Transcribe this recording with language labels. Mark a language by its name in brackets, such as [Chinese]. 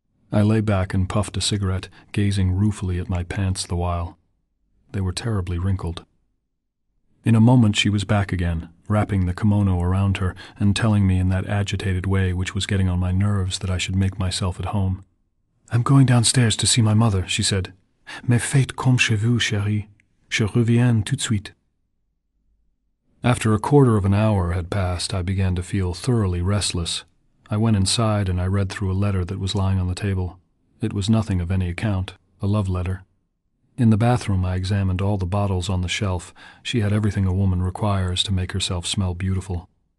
[English] I lay back and puffed a cigarette, gazing ruefully at my pants the while. They were terribly wrinkled. In a moment she was back again, wrapping the kimono around her and telling me in that agitated way which was getting on my nerves that I should make myself at home. I'm going downstairs to see my mother, she said. [French] Mais faites comme chez vous, chérie. Je reviens tout de suite. [English] After a quarter of an hour had passed, I began to feel thoroughly restless. I went inside and I read through a letter that was lying on the table. It was nothing of any account, a love letter. In the bathroom, I examined all the bottles on the shelf. She had everything a woman requires to make herself smell beautiful.